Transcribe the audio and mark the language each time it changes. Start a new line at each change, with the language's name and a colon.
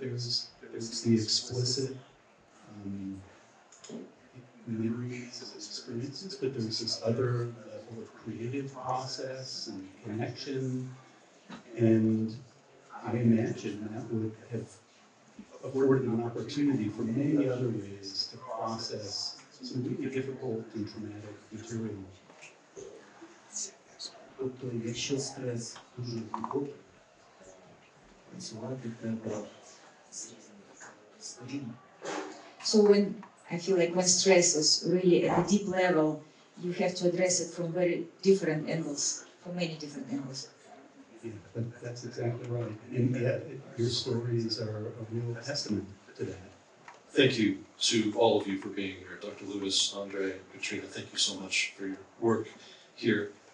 English: There's the explicit memories of experiences, but there's this other level of creative process and connection. And I imagine that would have afforded an opportunity for many other ways to process some really difficult and traumatic material.
Ukrainian: Тобто якщо стрес дуже глибокий, працювати треба сильно.
English: So when I feel like my stress is really at a deep level, you have to address it from very different angles, from many different angles. Yeah, but that's exactly right. And yet, your stories are a real testament to that. Thank you to all of you for being here. Dr. Lewis, Andre, and Katrina, thank you so much for your work here.